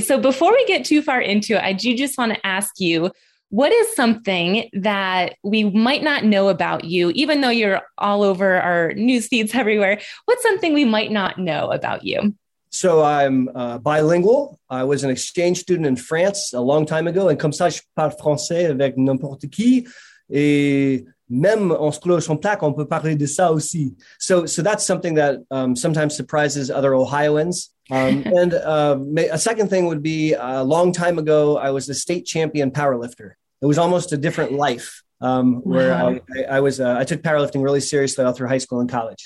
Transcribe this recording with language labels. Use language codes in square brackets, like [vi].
[en] So before we get too far into it, I do just want to ask you, what is something that we might not know about you, even though you're all over our news feeds everywhere? What's something we might not know about you? So I'm bilingual. I was an exchange student in France a long time ago. And [fr] comme ça, je parle français avec n'importe qui. Et même en se clochant en plaque, on peut parler de ça aussi. [en] So that's something that sometimes surprises other Ohioans. A second thing would be a long time ago, I was a state champion powerlifter. It was almost a different life where wow. I took powerlifting really seriously all through high school and college.